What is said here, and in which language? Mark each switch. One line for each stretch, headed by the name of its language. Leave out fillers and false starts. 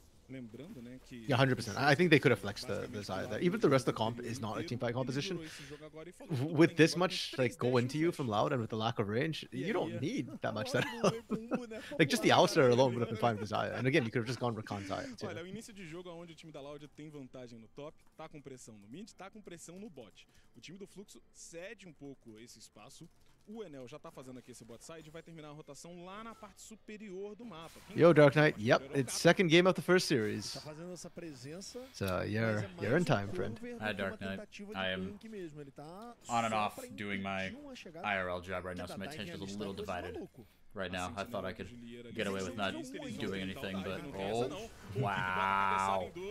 English: Yeah, 100%. I think they could have flexed the Zaya there. Even the rest of the comp is not a teamfight composition. With this much like go into you from Loud and with the lack of range, you don't need that much setup. Like, just the Alistar alone would have been fine with Zaya. And again, you could have just gone Rakan Zaya, too.
Portuguese: Olha, o início de jogo onde o time da Loud tem vantagem no top, tá com pressão no mid, tá com pressão no bot. O time do Fluxo cede pouco esse espaço. O Enel já tá fazendo aqui esse bot side e vai terminar a rotação lá na parte superior do mapa.
English: Yo, Dark Knight. Yep, it's second game of the first series.
Portuguese: Tá fazendo essa presença.
English: So, you're in time, friend. Hi, Dark Knight. I am on and off doing my IRL job right now, so my attention is a little divided. right now. I thought I could get away with not doing anything, but oh, wow.